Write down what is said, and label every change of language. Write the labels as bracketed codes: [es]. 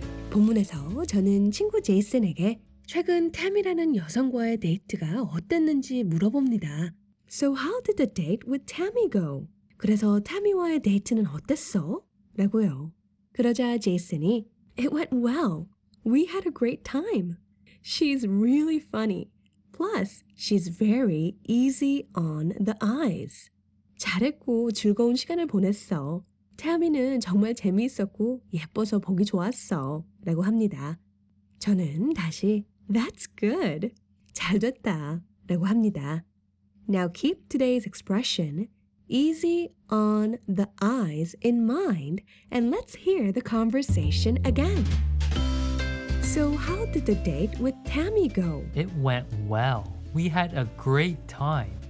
[ko] 본문에서 저는 친구 제이슨에게 최근 태미라는 여성과의 데이트가 어땠는지 물어봅니다. [en] So how did the date with Tammy go? [ko] 그래서 태미와의 데이트는 어땠어? 라고요. 그러자 제이슨이 [en] It went well. We had a great time. She's really funny. Plus, she's very easy on the eyes. [ko] 잘했고 즐거운 시간을 보냈어. 태미는 정말 재미있었고 예뻐서 보기 좋았어. 라고 합니다. 저는 다시 [en] That's good. [ko] 잘 됐다. 라고 합니다. [en] Now keep today's expression easy on the eyes in mind and let's hear the conversation again. So how did the date with Tammy go? It went well. We had a great time.